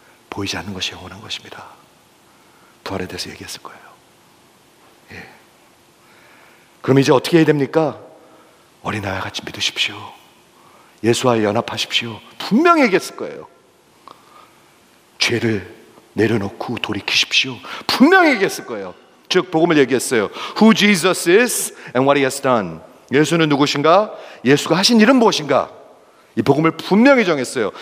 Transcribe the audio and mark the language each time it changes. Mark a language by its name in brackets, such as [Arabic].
[Korean] 보이지 않는 것이 영원한 것입니다. 부활에 대해서 얘기했을 거예요. 예. 그럼 이제 어떻게 해야 됩니까? 어린아이와 같이 믿으십시오. 예수와 연합하십시오. 분명히 얘기했을 거예요. 죄를 내려놓고 돌이키십시오. 분명히 얘기했을 거예요. 즉 복음을 얘기했어요. [English] Who Jesus is and what he has done. [Korean] 예수는 누구신가? 예수가 하신 일은 무엇인가? 이 복음을 분명히 정했어요.